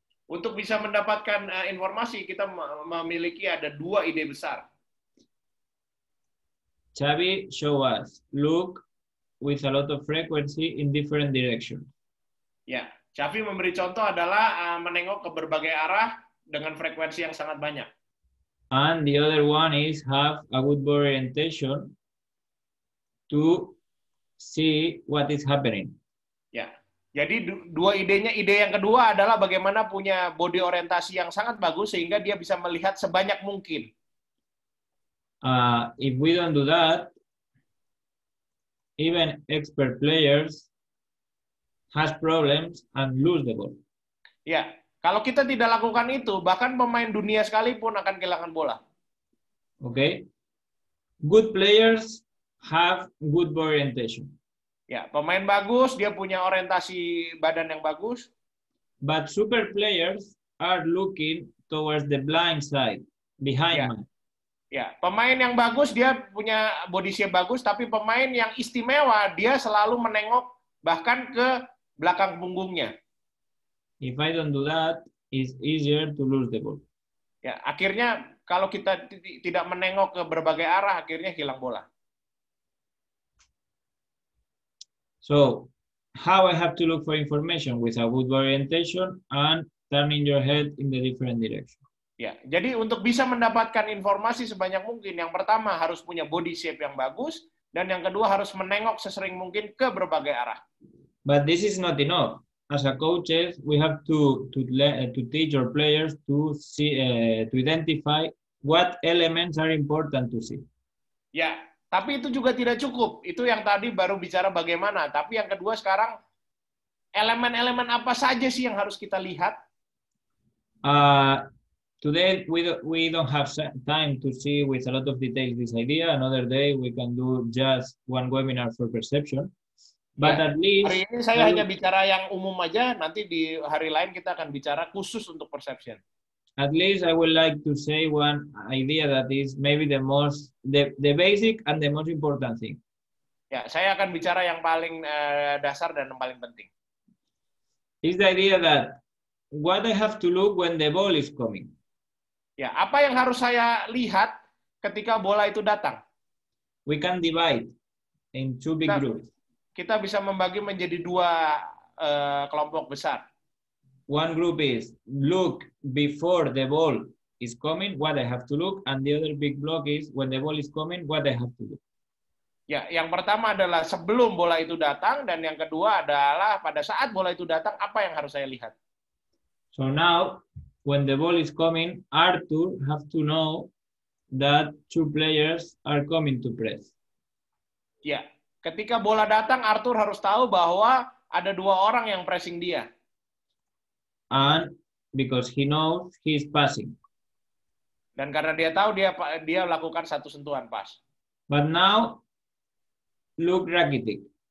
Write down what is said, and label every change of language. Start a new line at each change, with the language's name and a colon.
Indonesian: Untuk bisa mendapatkan informasi, kita memiliki ada dua ide besar.
English: Xavi show us look with a lot of frequency in different direction.
Indonesian: Ya, Xavi memberi contoh adalah menengok ke berbagai arah dengan frekuensi yang sangat banyak.
English: And the other one is have a good ball orientation to see what is happening.
Indonesian: Ya, jadi dua idenya, ide yang kedua adalah bagaimana punya body orientasi yang sangat bagus sehingga dia bisa melihat sebanyak mungkin.
English: If we don't do that, even expert players has problems and lose the ball.
Indonesian: Ya, kalau kita tidak lakukan itu, bahkan pemain dunia sekalipun akan kehilangan bola.
English: Okay, good players have good body orientation.
Indonesian: Ya, pemain bagus, dia punya orientasi badan yang bagus.
English: But super players are looking towards the blind side, behind
Indonesian: ya. Ya, pemain yang bagus, dia punya body shape bagus, tapi pemain yang istimewa, dia selalu menengok bahkan ke belakang punggungnya.
English: If I don't do that, it's easier to lose the ball.
Indonesian: Ya, akhirnya kalau kita tidak menengok ke berbagai arah, akhirnya hilang bola.
English: So, how I have to look for information with a good orientation and turning your head in the different direction.
Indonesian: Ya, jadi untuk bisa mendapatkan informasi sebanyak mungkin, yang pertama harus punya body shape yang bagus, dan yang kedua harus menengok sesering mungkin ke berbagai arah.
English: But this is not enough. As a coaches, we have to teach our players to see to identify what elements are important to see.
Indonesian: Ya. Tapi itu juga tidak cukup. Itu yang tadi baru bicara bagaimana. Tapi yang kedua sekarang, elemen-elemen apa saja sih yang harus kita lihat?
English: Today we don't have time to see with a lot of details this idea. Another day we can do just one webinar for perception. But at least
Indonesian: hari ini saya hanya bicara yang umum aja, nanti di hari lain kita akan bicara khusus untuk perception.
English: At least I would like to say one idea that is maybe the most the basic and the most important thing.
Indonesian: Ya, saya akan bicara yang paling dasar dan yang paling penting.
English: Is the idea that what I have to look when the ball is coming.
Indonesian: Ya, apa yang harus saya lihat ketika bola itu datang?
English: We can divide in two big groups.
Indonesian: Kita bisa membagi menjadi dua kelompok besar.
English: One group is look before the ball is coming, what I have to look, and the other big block is when the ball is coming, what I have to look.
Indonesian: Ya, yang pertama adalah sebelum bola itu datang, dan yang kedua adalah pada saat bola itu datang, apa yang harus saya lihat?
English: So now, when the ball is coming, Arthur have to know that two players are coming to press.
Indonesian: Ya, ketika bola datang, Arthur harus tahu bahwa ada dua orang yang pressing dia.
English: And because he knows he is passing.
Indonesian: Dan karena dia tahu dia lakukan satu sentuhan pas.
English: But now look Rakitic.